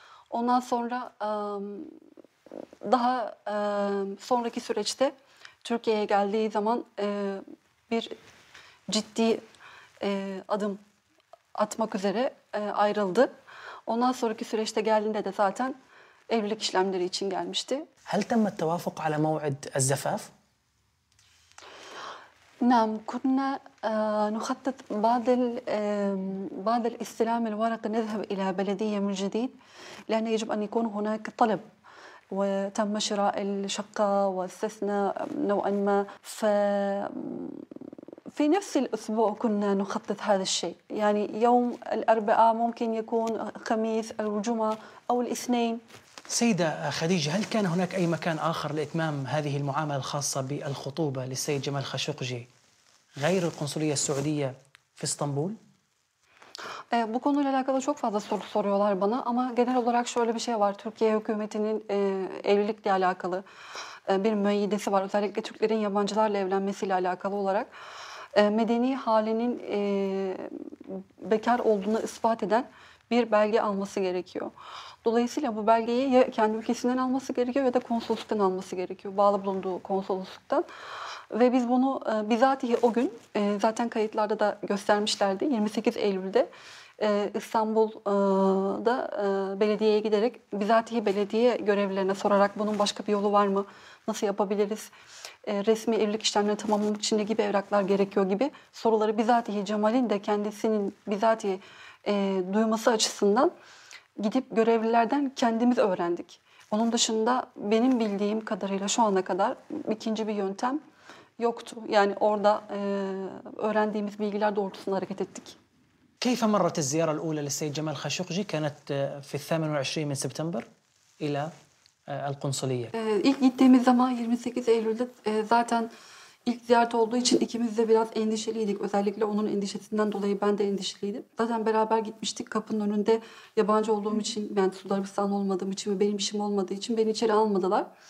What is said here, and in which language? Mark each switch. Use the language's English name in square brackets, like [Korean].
[Turkish] Ondan sonra daha sonraki süreçte Türkiye'ye geldiği zaman bir ciddi adım atmak üzere ayrıldı. Ondan sonraki süreçte geldiğinde de zaten evlilik işlemleri için gelmişti. [Arabic] هل تم التوافق على موعد الزفاف؟ نعم كنا نخطط بعد الاستلام الورق نذهب إلى بلدية من جديد لأن يجب أن يكون هناك طلب. وتم شراء الشقة واستثنى نوعا ما في نفس الأسبوع كنا نخطط هذا الشيء يعني يوم الأربعاء ممكن يكون خميس الجمعة أو الاثنين سيدة خديجة هل كان هناك أي مكان آخر لإتمام هذه المعاملة الخاصة بالخطوبة للسيد جمال خاشقجي غير القنصلية السعودية في اسطنبول؟ [Turkish] Bu konuyla alakalı çok fazla soru soruyorlar bana ama genel olarak şöyle bir şey var. Türkiye hükümetinin evlilikle alakalı bir müeyyidesi var. Özellikle Türklerin yabancılarla evlenmesiyle alakalı olarak medeni halinin bekar olduğunu ispat eden bir belge alması gerekiyor. Dolayısıyla bu belgeyi ya kendi ülkesinden alması gerekiyor ya da konsolosluktan alması gerekiyor. Bağlı bulunduğu konsolosluktan. Ve biz bunu bizatihi o gün zaten kayıtlarda da göstermişlerdi. 28 Eylül'de İstanbul'da belediyeye giderek bizatihi belediye görevlilerine sorarak bunun başka bir yolu var mı? Nasıl yapabiliriz? Resmi evlilik işlemlerini tamamlamak için ne gibi evraklar gerekiyor gibi soruları bizatihi Cemal'in de kendisinin bizatihi duyması açısından gidip görevlilerden kendimiz öğrendik. Onun dışında benim bildiğim kadarıyla şu ana kadar ikinci bir yöntem yoktu. Yani orada öğrendiğimiz bilgiler doğrultusunda hareket ettik. [Arabic] كيف مرت الزيارة الأولى للسيد جمال خاشقجي كانت في 28 من سبتمبر إلى القنصلية؟ [Turkish] ilk gittiğimiz zaman 28 Eylül'de zaten ilk ziyaret olduğu için ikimiz de biraz endişeliydik. Özellikle onun endişesinden dolayı ben de endişeliydim. Zaten beraber gitmiştik kapının önünde yabancı olduğum için, yani Suudi Arabistan'da olmadığım için ve benim işim olmadığı için beni içeri almadılar.